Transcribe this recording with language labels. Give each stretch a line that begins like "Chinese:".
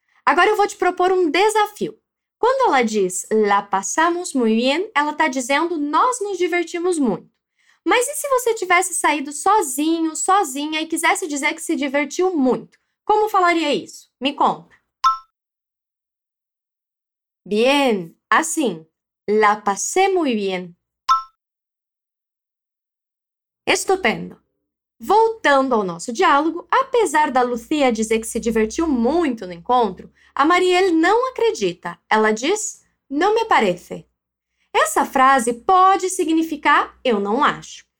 Portuguese: Agora eu vou te propor um desafio. Quando ela diz
Spanish: la passamos muy bien,
Portuguese: ela está dizendo nós nos divertimos muito. Mas e se você tivesse saído sozinho, sozinha e quisesse dizer que se divertiu muito? Como falaria isso? Me conta.
Spanish: Bien, assim, la pasé muy bien.
Portuguese: Estupendo. Voltando ao nosso diálogo, apesar da Lucia dizer que se divertiu muito no encontro, a Marielle não acredita. Ela diz, não me parece. Essa frase pode significar eu não acho.